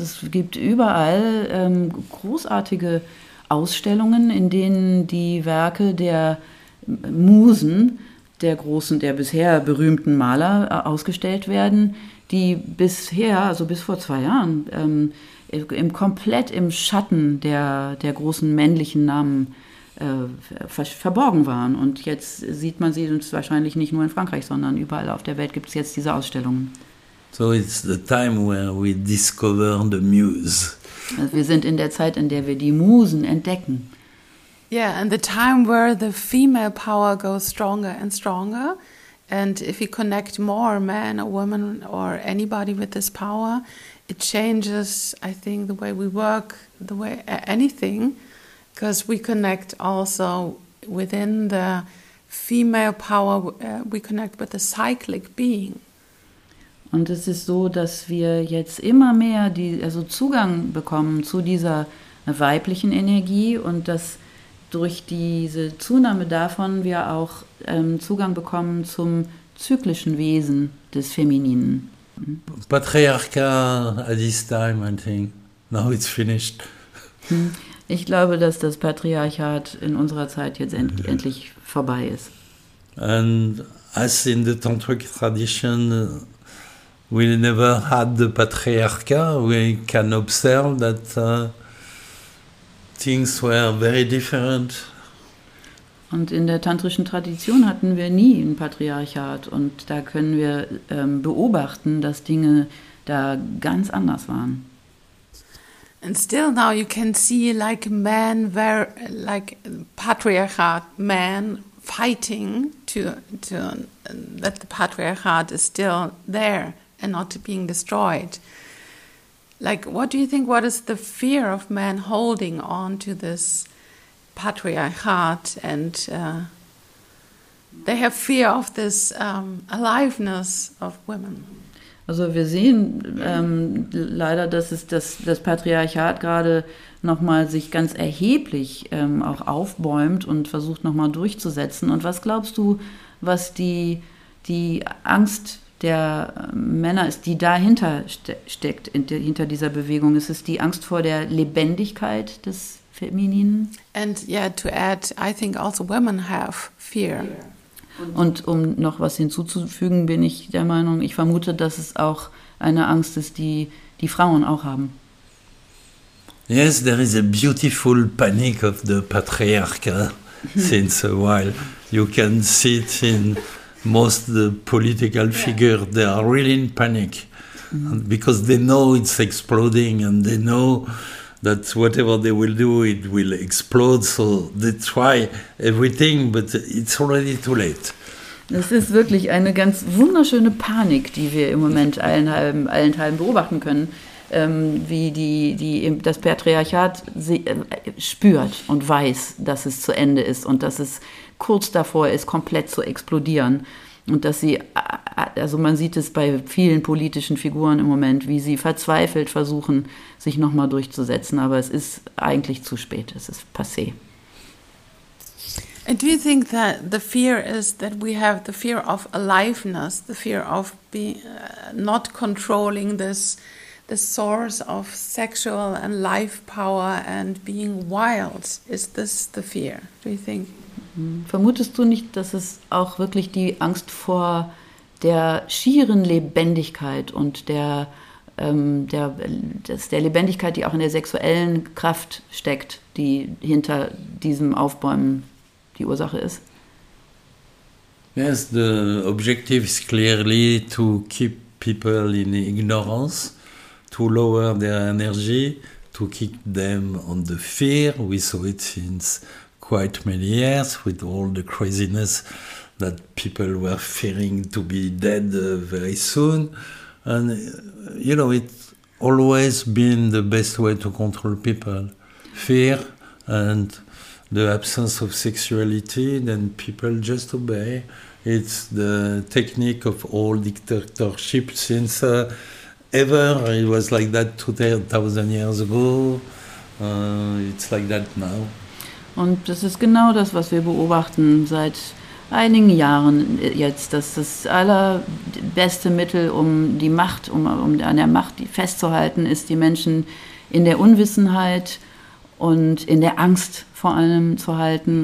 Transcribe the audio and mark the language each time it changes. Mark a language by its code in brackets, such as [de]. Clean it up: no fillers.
[de] Es gibt überall großartige Ausstellungen, in denen die Werke der Musen, der großen, der bisher berühmten Maler ausgestellt werden, die bisher, also bis vor 2 Jahren, komplett im Schatten der großen männlichen Namen verborgen waren. Und jetzt sieht man sie uns wahrscheinlich nicht nur in Frankreich, sondern überall auf der Welt gibt es jetzt diese Ausstellungen. [en] So it's the time where we discover the muse. [de] Also wir sind in der Zeit, in der wir die Musen entdecken. [en] Yeah, and the time where the female power goes stronger and stronger. And if we connect more men or women or anybody with this power, it changes, I think, the way we work, the way anything, because we connect also within the female power, we connect with the cyclic being. [de] Und es ist so, dass wir jetzt immer mehr also Zugang bekommen zu dieser weiblichen Energie und dass durch diese Zunahme davon wir auch Zugang bekommen zum zyklischen Wesen des Femininen. [en] Patriarchat at this time, I think. Now it's finished. [de] Ich glaube, dass das Patriarchat in unserer Zeit jetzt endlich vorbei ist. [en] And as in the tantric tradition, we never had the patriarchat. We can observe that things were very different. [de] Und in der tantrischen Tradition hatten wir nie ein Patriarchat. Und da können wir beobachten, dass Dinge da ganz anders waren. [en] And still now you can see like men, like patriarchat men fighting to that the patriarchat is still there and not being destroyed. Like, what do you think, what is the fear of men holding on to this patriarchat, and they have fear of this aliveness of women. [de] Also wir sehen leider, dass es das Patriarchat gerade nochmal sich ganz erheblich auch aufbäumt und versucht nochmal durchzusetzen. Und was glaubst du, was die Angst der Männer ist, die dahinter steckt, hinter dieser Bewegung? Ist es die Angst vor der Lebendigkeit des Femininen? [en] And yeah, to add, I think also women have fear. [de] Und um noch was hinzuzufügen, bin ich der Meinung, ich vermute, dass es auch eine Angst ist, die Frauen auch haben. [en] Yes, there is a beautiful panic of the patriarchy since a while. You can see it in most of the political figures. They are really in panic because they know it's exploding and they know that whatever they will do, it will explode. So they try everything, but it's already too late. [de] Das ist wirklich eine ganz wunderschöne Panik, die wir im Moment allenthalben beobachten können, wie das Patriarchat spürt und weiß, dass es zu Ende ist und dass es kurz davor ist, komplett zu explodieren. Und dass sie, also man sieht es bei vielen politischen Figuren im Moment, wie sie verzweifelt versuchen, sich nochmal durchzusetzen. Aber es ist eigentlich zu spät, es ist passé. [en] And do you think that the fear is that we have the fear of aliveness, the fear of not controlling this source of sexual and life power and being wild? Is this the fear, do you think? [de] Vermutest du nicht, dass es auch wirklich die Angst vor der schieren Lebendigkeit und der Lebendigkeit, die auch in der sexuellen Kraft steckt, die hinter diesem Aufbäumen die Ursache ist? [en] Yes, the objective is clearly to keep people in ignorance, to lower their energy, to kick them on the fear. We saw it since quite many years with all the craziness that people were fearing to be dead very soon. And, you know, it's always been the best way to control people. Fear and the absence of sexuality, then people just obey. It's the technique of all dictatorship since ever. It was like that 2000 years ago. It's like that now. [de] Und das ist genau das, was wir beobachten seit einigen Jahren jetzt, dass das allerbeste Mittel, um die Macht, um an der Macht festzuhalten, ist, die Menschen in der Unwissenheit und in der Angst vor allem zu halten.